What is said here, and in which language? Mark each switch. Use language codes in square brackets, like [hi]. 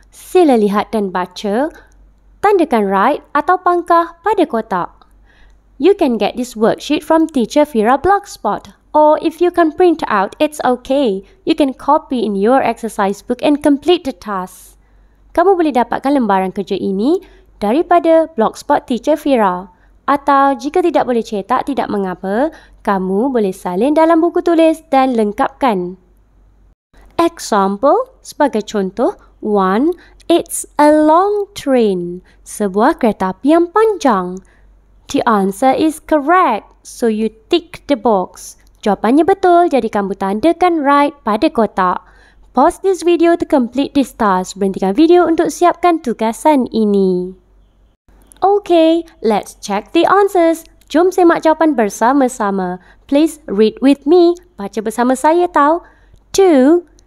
[ms] Sila lihat dan baca. Tandakan right atau pangkah pada kotak. [en] You can get this worksheet from Teacher Fira Blogspot. Or if you can print out, it's okay. You can copy in your exercise book and complete the task. [ms] Kamu boleh dapatkan lembaran kerja ini daripada Blogspot Teacher Fira. Atau jika tidak boleh cetak, tidak mengapa, kamu boleh salin dalam buku tulis dan lengkapkan. [en] Example, [ms] sebagai contoh, [en] 1. It's a long train. [ms] Sebuah kereta api yang panjang. [en] The answer is correct, so you tick the box. [ms] Jawapannya betul, jadi kamu tandakan right pada kotak. [en] Pause this video to complete this task. [ms] Berhentikan video untuk siapkan tugasan ini. [en] Okay, let's check the answers. [ms] Jom semak jawapan bersama-sama. [en] Please read with me. [ms] Baca bersama saya tau. [en] 2.